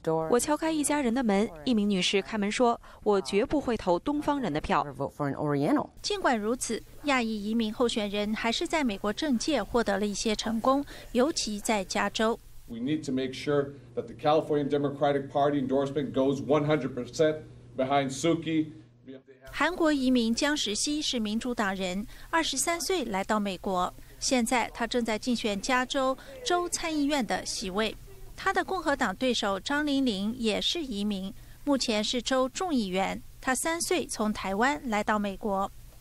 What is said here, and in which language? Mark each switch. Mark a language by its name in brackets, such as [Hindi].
[Chinese] 我敲开一家人的门，一名女士开门说，我绝不会投东方人的票。尽管如此，亚裔移民候选人还是在美国政界获得了一些成功，尤其在加州。 [English] We need to make sure that the California Democratic Party endorsement goes 100% behind Suki. [Chinese] 韩国移民姜时熙是民主党人，23岁来到美国，现在他正在竞选加州州参议院的席位。他的共和党对手张玲玲也是移民，目前是州众议员。他3岁从台湾来到美国。